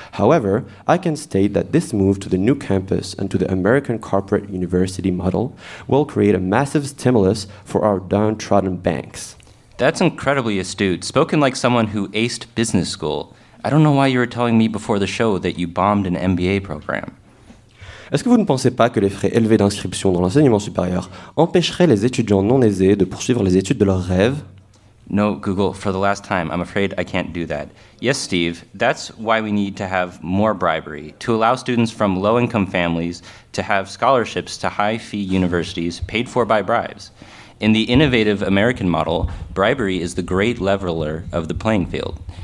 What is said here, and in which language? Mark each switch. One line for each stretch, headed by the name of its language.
English: However, I can state that this move to the new campus and to the American corporate university model will create a massive stimulus for our downtrodden banks. That's incredibly astute, spoken like someone who aced business school. I don't know why you were telling me before the show that you bombed an MBA program.
French: Est-ce que vous ne pensez pas que les frais élevés d'inscription dans l'enseignement supérieur empêcheraient les étudiants non aisés de poursuivre les études de leurs rêves?
English: No, Google, for the last time, I'm afraid I can't do that. Yes, Steve, that's why we need to have more bribery, to allow students from low-income families to have scholarships to high-fee universities paid for by bribes. In the innovative American model, bribery is the great leveler of the playing field.